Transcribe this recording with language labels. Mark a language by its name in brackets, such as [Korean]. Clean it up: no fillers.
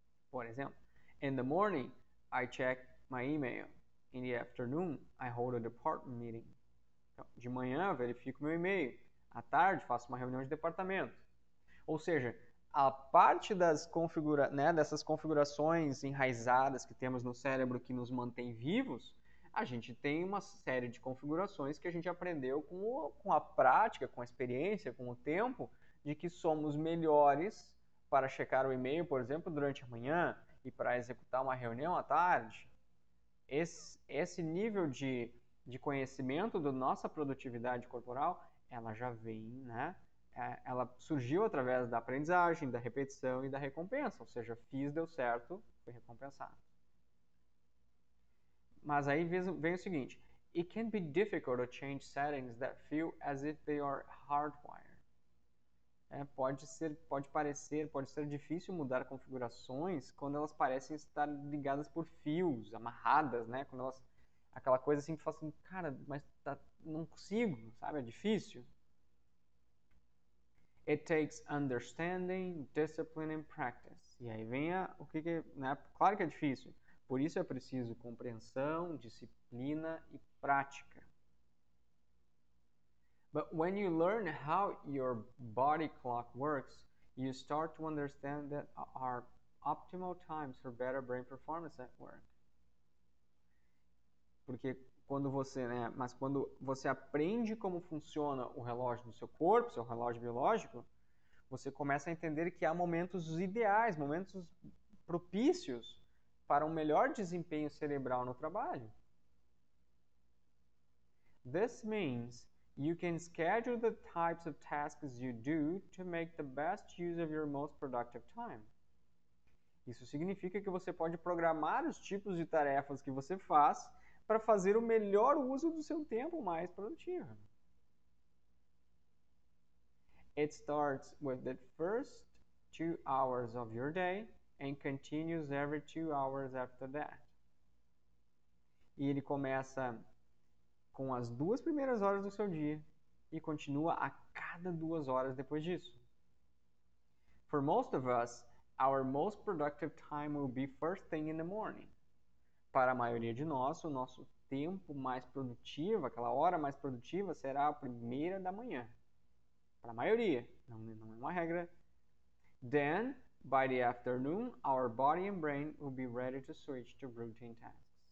[Portuguese] Por exemplo, [English] in the morning, I check my email. In the afternoon, I hold a department meeting. [Portuguese] Então, de manhã, eu verifico meu e-mail. À tarde, faço uma reunião de departamento. Ou seja, a parte das dessas configurações enraizadas que temos no cérebro que nos mantém vivos, a gente tem uma série de configurações que a gente aprendeu com a prática, com a experiência, com o tempo, de que somos melhores para checar o e-mail, por exemplo, durante a manhã e para executar uma reunião à tarde. Esse nível de conhecimento da nossa produtividade corporal, ela já vem, né? Ela surgiu através da aprendizagem, da repetição e da recompensa. Ou seja, fiz, deu certo, fui recompensado. Mas aí vem o seguinte: [English] it can be difficult to change settings that feel as if they are hardwired. [Portuguese] Pode ser difícil mudar configurações quando elas parecem estar ligadas por fios, amarradas, né? Quando elas, aquela coisa assim que fala assim, cara, mas tá, não consigo, sabe? É difícil. [English] It takes understanding, discipline and practice. [Portuguese] E aí vem o que é, né? Claro que é difícil. Por isso é preciso compreensão, disciplina e prática. [English] But when you learn how your body clock works, you start to understand that are optimal times for better brain performance at work. [Portuguese] Porque quando você, né, mas quando você aprende como funciona o relógio do seu corpo, seu relógio biológico, você começa a entender que há momentos ideais, momentos propícios para um melhor desempenho cerebral no trabalho. [English] This means you can schedule the types of tasks you do to make the best use of your most productive time. [Portuguese] Isso significa que você pode programar os tipos de tarefas que você faz para fazer o melhor uso do seu tempo mais produtivo. [English] It starts with the first 2 hours of your day and continues every 2 hours after that. [Portuguese] E ele começa com as 2 primeiras horas do seu dia e continua a cada 2 horas depois disso. [English] For most of us, our most productive time will be first thing in the morning. [Portuguese] Para a maioria de nós, o nosso tempo mais produtivo, aquela hora mais produtiva, será a primeira da manhã. Para a maioria, não é uma regra. [English] Then, by the afternoon, our body and brain will be ready to switch to routine tasks.